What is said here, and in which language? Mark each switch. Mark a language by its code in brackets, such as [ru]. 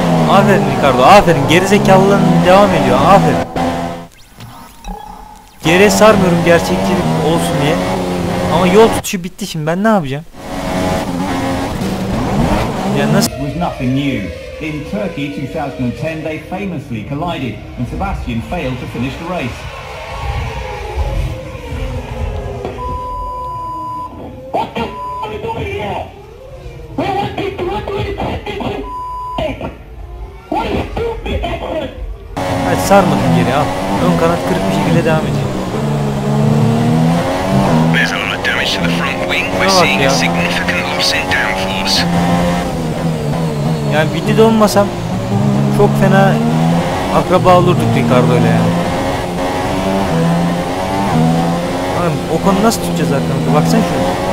[tr] Aferin Ricardo, aferin. Gerizekalılığın devam ediyor, aferin. Geriye sarmıyorum gerçekçilik olsun diye. Ama yol tutuşu bitti şimdi, ben ne yapacağım? Ya nasıl? [en] In Turkey 2010 they famously collided and Sebastian failed to finish the race. [tr] Hadi sarmadın geri, al. Ön kanat kırık bir şekilde devam edeceğim. [en] There's a lot of damage to the front wing. We're seeing a significant loss in downforce. [tr] Yani bitti de olmasam çok fena akraba olurduk Ricardo ile yani. Abi o konu nasıl tutacağız arkamızda? Baksana şuna.